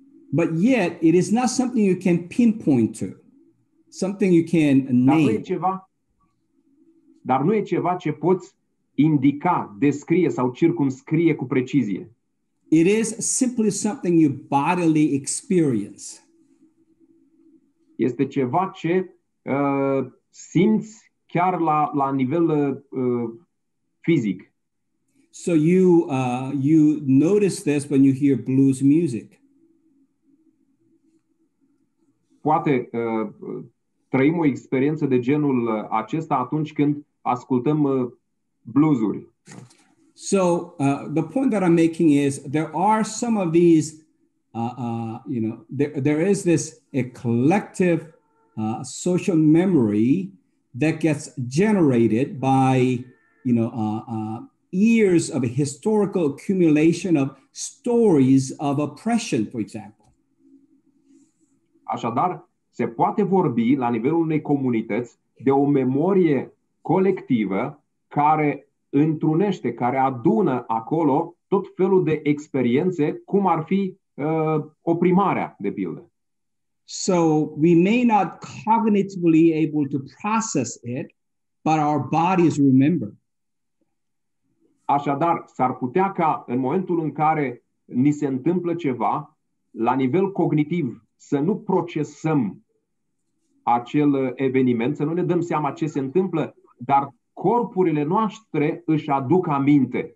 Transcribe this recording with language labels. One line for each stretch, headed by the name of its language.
English: But yet it is not something you can pinpoint to. Something you can name.
Romanian: Dar nu e ceva ce poți indica, descrie sau circumscrie cu precizie.
English: It is simply something you bodily experience.
Romanian: Este ceva ce simți chiar la nivel fizic.
English: So you notice this when you hear blues music.
Romanian: Poate trăim o experiență de genul acesta atunci când ascultăm bluesuri.
English: So the point that I'm making is there are some of these you know, there is this a collective social memory that gets generated by, you know, years of a historical accumulation of stories of oppression, for example.
Romanian: Așadar, se poate vorbi la nivelul unei comunități de o memorie colectivă care întrunește, care adună acolo tot felul de experiențe, cum ar fi oprimarea, de pildă.
English: So we may not cognitively able to process it, but our bodies remember.
Romanian: Așadar, s-ar putea ca în momentul în care ni se întâmplă ceva, la nivel cognitiv, să nu procesăm acel eveniment, să nu ne dăm seama ce se întâmplă, dar corpurile noastre își aduc aminte.